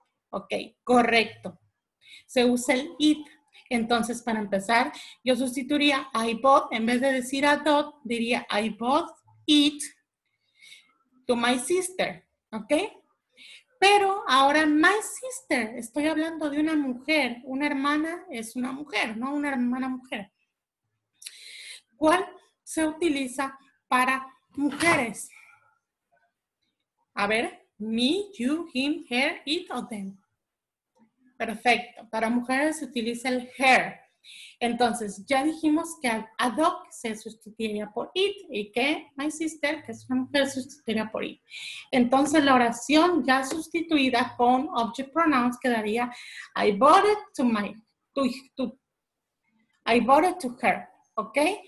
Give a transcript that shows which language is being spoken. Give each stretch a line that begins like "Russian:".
Spanish: Ok, correcto. Se usa el it. Entonces, para empezar, yo sustituiría I bought, en vez de decir a dog, diría
English: I bought it to my sister.
Spanish: Ok. Pero ahora, my sister, estoy hablando de una mujer. Una hermana es una mujer, ¿no? Una hermana mujer. ¿Cuál se utiliza para mujeres?
English: A ver, me, you, him, her, it, or them.
Spanish: Perfecto. Para mujeres se utiliza el her. Entonces, ya dijimos que a dog se sustituiría por it y que my sister, que es una mujer, sustituiría por it. Entonces, la oración ya sustituida con object pronouns quedaría
English: I bought it to my, I bought it to her,
Spanish: ¿ok?